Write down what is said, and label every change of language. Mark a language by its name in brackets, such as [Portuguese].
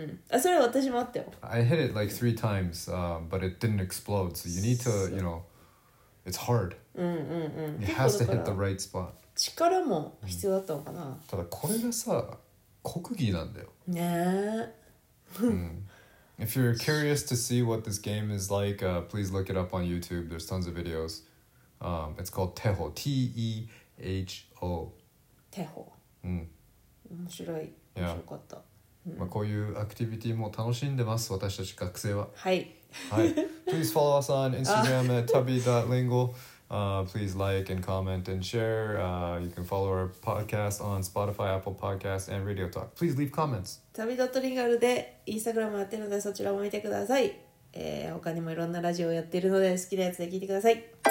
[English] I hit it like 3 times, but it didn't explode. So you need to, you know. It's hard. It has to hit the right spot. [Japanese] 力も必要だったのかな。ただこれがさ、国技なんだよ。ね。 [English] If you're curious to see what this game is like, please look it up on YouTube. There's tons of videos. It's called Teho. T-E-H-O. [Japanese] Teho. 面白い。面白かった。まあこういうアクティビティも楽しんでます。私たち学生は。はい。 [English] Hi. Please follow us on Instagram at tubby.lingual. Please like and comment and share. You can follow our podcast on Spotify, Apple Podcasts, and Radio Talk. Please leave comments. [Japanese] tubby.lingual でインスタグラムやってるのでそちらも見てください。他にもいろんなラジオをやってるので好きなやつで聞いてください。